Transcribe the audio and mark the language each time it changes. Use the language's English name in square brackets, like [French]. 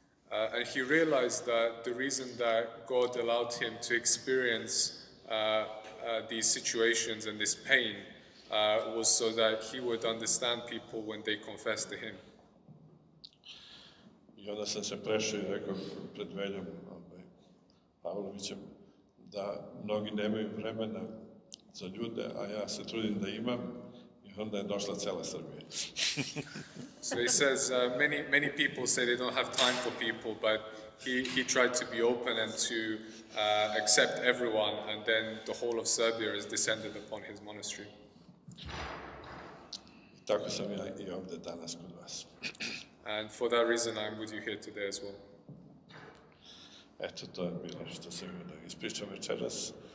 [English] And he realized that the reason that God allowed him to experience these situations and this pain was so that he would understand people when they confessed to him. [Serbian] I onda sam se prešao i rekao pred Veljom Pavlovićem da mnogi nemaju vremena za ljude, a ja se trudim da imam, i onda je došla cela Srbija. [English] So he says many people say they don't have time for people, but he tried to be open and to accept everyone, and then the whole of Serbia is descended upon his monastery. [Serbian] Tako sam ja i ovde danas kod vas. [English] And for that reason I'm with you here today as well. [Serbian] Eto, to je bilo što sam imao da ispričam večeras.